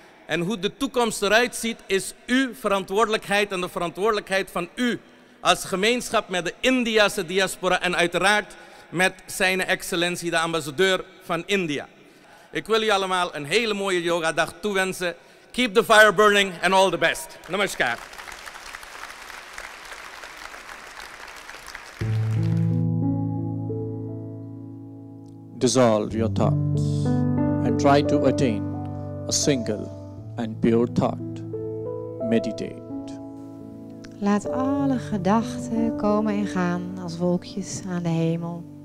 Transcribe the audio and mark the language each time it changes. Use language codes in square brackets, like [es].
[nl] En hoe de toekomst eruit ziet, is uw verantwoordelijkheid en de verantwoordelijkheid van u als gemeenschap met de Indiase diaspora en uiteraard met zijn excellentie de ambassadeur van India. Ik wil u allemaal een hele mooie yogadag toewensen. [en] Keep the fire burning and all the best. [hi] Namaskar. [en] Dissolve your thoughts and try to attain a single and pure thought. Meditate. [nl] Laat alle gedachten komen en gaan als wolkjes aan de hemel.